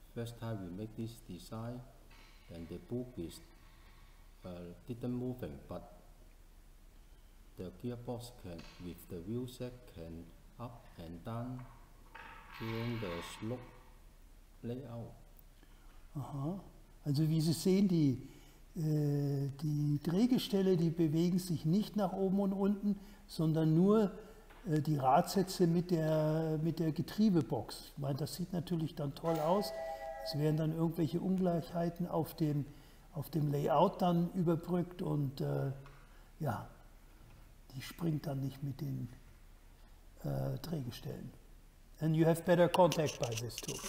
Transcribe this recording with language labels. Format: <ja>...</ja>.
<en>First time we make this design, then the boogies didn't move, but the gearbox can, with the wheel set, can up and down during the slope layout. Aha.</en> <de>Also wie Sie sehen, die Drehgestelle, die bewegen sich nicht nach oben und unten, sondern nur die Radsätze mit der Getriebebox. Ich meine, das sieht natürlich dann toll aus. Es werden dann irgendwelche Ungleichheiten auf dem Layout dann überbrückt, und ja. Die springt dann nicht mit den Drehgestellen.</de> <en>And you have better contact by this too.</en>